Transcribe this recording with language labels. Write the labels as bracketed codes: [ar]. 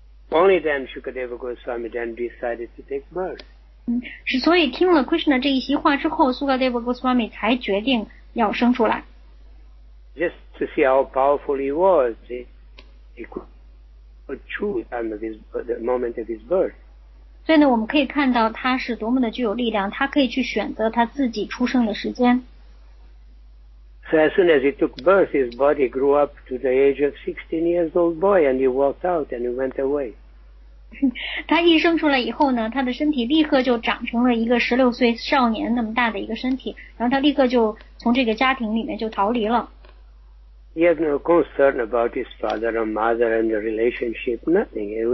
[en] Only then Shukadeva Goswami then decided to take birth. [zh] 是，所以听了 Krishna 这一席话之后， Shukadeva Goswami 才决定要生出来。 [en] Just to see how powerful he was, he could choose under this, the moment of his birth. [zh] 所以呢，我们可以看到他是多么的具有力量，他可以去选择他自己出生的时间。 [en] So as soon as he took birth, his body grew up to the age of 16 years old boy, and he walked out and he went away. [zh] 他一生出来以后呢，他的身体立刻就长成了一个16岁少年那么大的一个身体，然后他立刻就从这个家庭里面就逃离了。 [en] He had no concern about his father or mother and the relationship, nothing.